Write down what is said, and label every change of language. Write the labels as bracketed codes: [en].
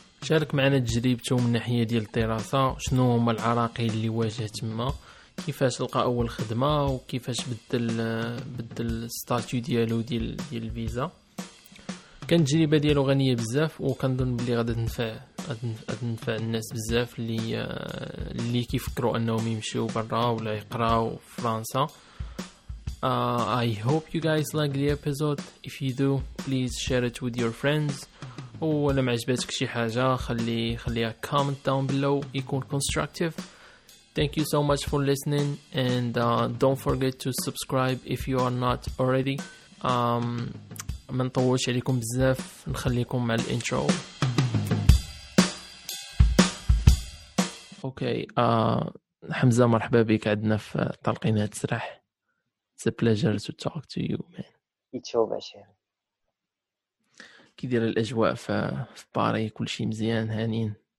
[ar] شارك معنا تجربته من ناحية ديال الدراسة، شنو هما العراقيل اللي واجه تما، كيفاش لقى أول خدمة، وكيفاش بدل ستاتيو ديالو ديال الفيزا. كان تجربة ديالو غنية بزاف، وكنظن بلي غادي تنفع الناس بزاف اللي كيفكروا انهم يمشيو برا ولا يقراو في فرنسا. [en] I hope you guys like the episode. If you do, please share it with your friends. [ar] ولا معجبتك شي حاجة خليها [en] comment down below، [ar] يكون constructive. [en] Thank you so much for listening and don't forget to subscribe if you are not already. [ar] ما نطولش عليكم بزاف، نخليكم مع الانترو. اوكي، حمزة مرحبا بك عندنا في طلقينا تسرح. [en] It's a pleasure to talk to you, man. يتشوف عشان [ar] كي دير الاجواء في باري؟ كل شي مزيان، هانين،